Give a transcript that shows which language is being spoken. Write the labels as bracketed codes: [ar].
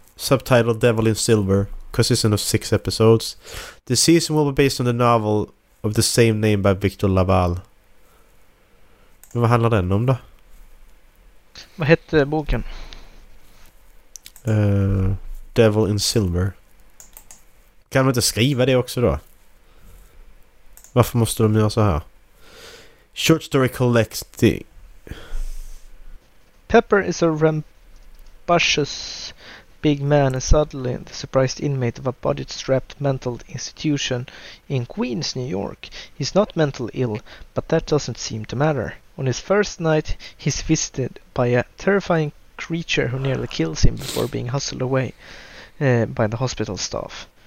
[en] Subtitled Devil in Silver, consisting of 6 episodes. The season will be based on the novel of the same name by Victor Laval. [sv] Men vad handlar den om då? Vad hette boken? Devil in Silver. Kan man inte skriva det också då? Varför måste de göra så här? [en] Short story collecting. Pepper is a rambunctious big man and suddenly the surprised inmate of a budget-strapped mental institution in Queens, New York. He's not mentally ill, but that doesn't seem to matter. On his first night, he's visited by a terrifying creature who nearly kills him before being hustled away by the hospital staff.